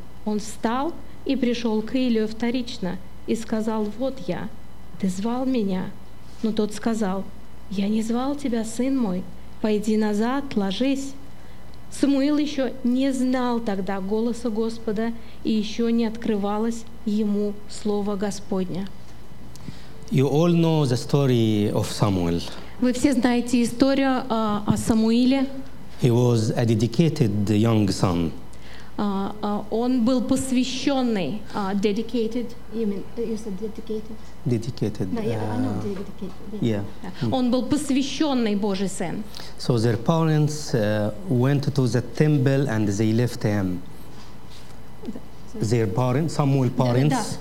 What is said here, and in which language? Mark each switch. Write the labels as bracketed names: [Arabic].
[Russian] Он встал и пришел к Илию вторично и сказал, вот я, ты звал меня. Но тот сказал, я не звал тебя, сын мой, пойди назад, ложись. Самуил еще не знал тогда голоса Господа, и еще не открывалось ему слово Господне. [English] You all know the story of Samuel. [Russian] Вы все знаете историю о Самуиле. [English] He was a dedicated young son. [Russian] Он был посвященный, [English] dedicated, you mean, you said dedicated? Dedicated. No, yeah, I know dedicated. Yeah. Yeah. Mm. [Russian] Он был посвященный Божий сын. [English] So their parents went to the temple and they left him. Their parents, Samuel's parents.